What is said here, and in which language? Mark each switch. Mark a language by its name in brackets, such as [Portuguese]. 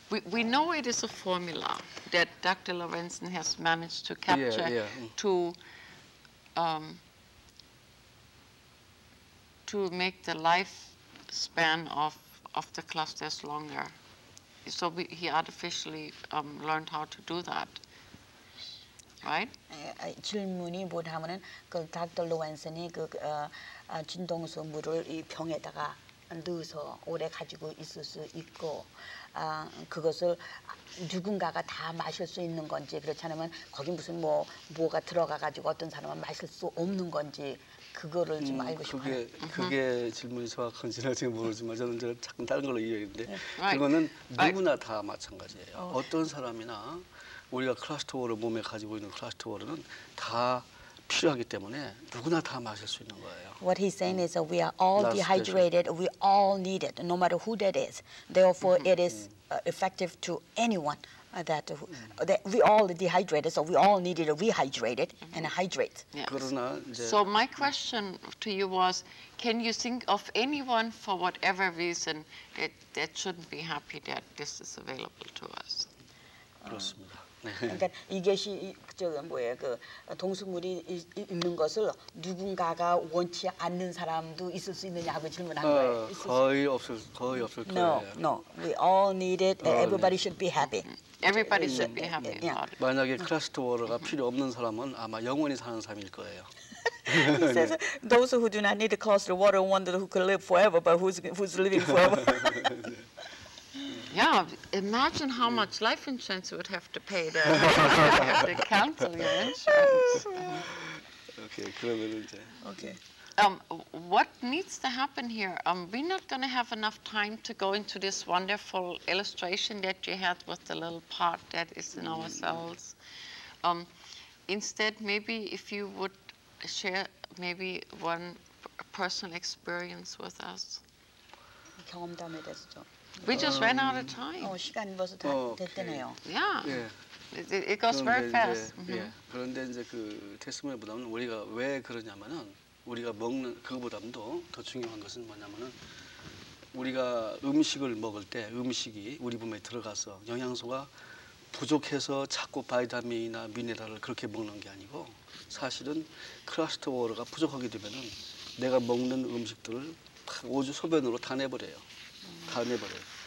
[English] We know it is a formula that Dr. Lorenzen has managed to capture to make the lifespan of the clusters longer. So he artificially learned how to do that. Right? [Korean] 질문이 뭐냐면은 그 닥터 로완슨이 그 진동수 물을 이 병에다가 넣어서 오래 가지고 있을 수 있고 그것을 누군가가 다 마실 수 있는 건지 그렇지 않으면 거기 무슨 뭐 뭐가 들어가 가지고 어떤 사람은 마실 수 없는 건지 그거를 좀 알고 싶어요. 그게 질문이 정확한지는 지금 모르지만 저는 이제 조금 다른 걸로 이해했는데 그거는 누구나 다 마찬가지예요. 어떤 사람이나 우리가 클러스터 워를 몸에 가지고 있는 클러스터 워는 다 필요하기 때문에 누구나 다 마실 수 있는 거예요. [English] What he's saying is that we are all dehydrated. We all need it, no matter who that is. Therefore, it is effective to anyone that we all dehydrated. So we all need it rehydrated and hydrate. Yes. So my question to you was, can you think of anyone for whatever reason that shouldn't be happy that this is available to us? [Korean] 그렇습니다. 그러니까 이것이 저 뭐예요 그 동수물이 있는 것을 누군가가 원치 않는 사람도 있을 수 있느냐고 질문한 거예요. 거의 없을 거예요. [English] No, we all need it. Everybody should be happy. Everybody should be happy. Yeah. [Korean] 만약에 클러스터 워러가 필요 없는 사람은 아마 영원히 사는 사람일 거예요. [English] He says, "Those who do not need the cluster water wonder who could live forever, but who's living forever." Yeah, imagine how much life insurance you would have to pay there. Have to cancel your insurance. [Korean] Okay, 그러면 이제. [English] Okay. What needs to happen here? We're not going to have enough time to go into this wonderful illustration that you had with the little part that is in our cells. Instead, maybe if you would share maybe one personal experience with us. [Korean] 경험담에 대해서 좀. [English] We just ran out of time. [Korean] 시간이 벌써 다 됐대네요. [English] Yeah. It goes very fast. [Korean] 이제, 그런데 이제 그 테스트물보다는 우리가 왜 그러냐면은 우리가 먹는 그거보다도 더 중요한 것은 뭐냐면은 우리가 음식을 먹을 때 음식이 우리 몸에 들어가서 영양소가 부족해서 자꾸 바이타민이나 미네랄을 그렇게 먹는 게 아니고 사실은 클러스터 워러가 부족하게 되면은 내가 먹는 음식들을 오주 소변으로 다내버려요. 다내버려요.